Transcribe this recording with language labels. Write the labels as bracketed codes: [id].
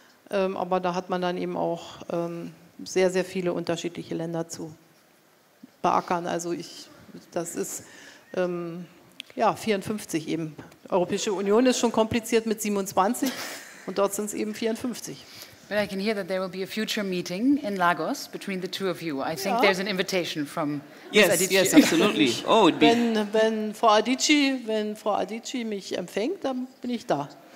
[de] Aber da hat man dann eben auch sehr, sehr viele unterschiedliche Länder zu beackern. Also das ist 54 eben. Die Europäische Union ist schon kompliziert mit 27 und dort sind es eben 54. [en] But I can hear that there will be a future meeting in Lagos between the two of you. I think there's an invitation from Adichie. Yes, absolutely. Oh, it'd be. [de] Wenn Frau Adichie mich empfängt, dann bin ich da.